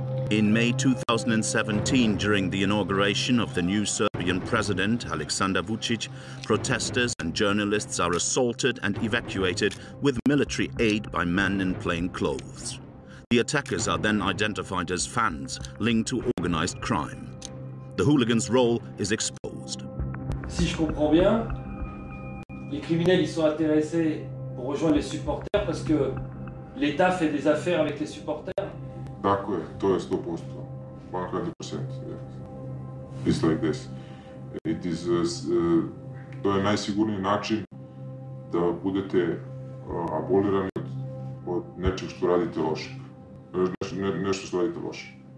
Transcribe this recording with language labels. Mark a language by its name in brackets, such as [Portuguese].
[English] In May 2017, during the inauguration of the new Serbian president, Aleksandar Vučić, protesters and journalists are assaulted and evacuated with military aid by men in plain clothes. The attackers are then identified as fans linked to organized crime. The hooligans' role is exposed. [French] Si je comprends bien, les criminels ils sont intéressés pour rejoindre les supporters parce que l'État fait des affaires avec les supporters. [Serbian] Tako je, to je 100%, 100%, [English] it's like this. [Serbian] It is, to je najsigurniji način da budete abolirani od nečeg što radite loše. Nešto što radite loše.